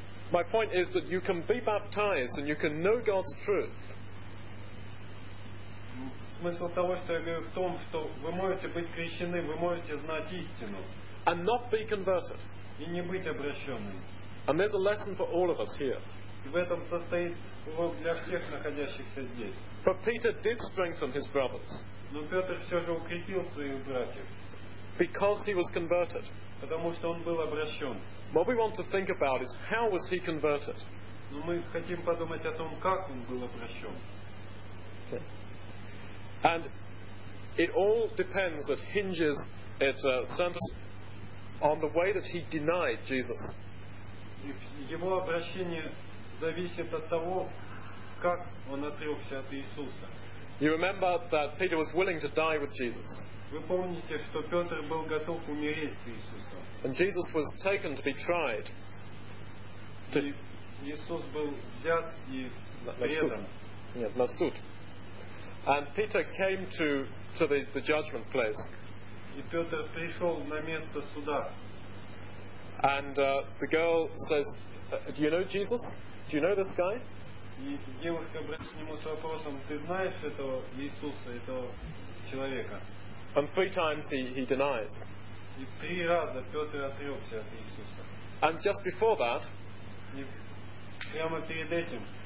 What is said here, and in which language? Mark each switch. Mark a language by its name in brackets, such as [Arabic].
[English] My point is that you can be baptized and you can know God's truth. [Russian] Смысл того, что я говорю, в том, что вы можете быть крещены, вы можете знать истину. [English] And not be converted. [Russian] И не быть обращенным. [English] And there's a lesson for all of us here. [Russian] В этом состоит урок для всех находящихся здесь. [English] But Peter did strengthen his brothers. [Russian] Но Петр все же укрепил своих братьев. [English] Because he was converted. [Russian] Потому что он был обращен. [English] What we want to think about is how was he converted? [Russian] Но мы хотим подумать о том, как он был обращен. [English] Okay. And it all depends, it hinges, it centers on the way that he denied Jesus. [Russian] Его обращение зависит от того, как он отрекся от Иисуса. [English] You remember that Peter was willing to die with Jesus. [Russian] Вы помните, что Петр был готов умереть с Иисусом. [English] And Jesus was taken to be tried. [Russian] И Иисус был взят и на суд. [English] And Peter came to the judgment place. [Russian] И Петр пришел на место суда. [English] And the girl says, "Do you know Jesus? Do you know this guy?" [Russian] И девушка обратилась к нему с вопросом: "Ты знаешь этого Иисуса, этого человека?" [English] And three times he denies. [Russian] И три раза Петр отрекся от Иисуса. [English] And just before that, [Russian] и прямо перед этим,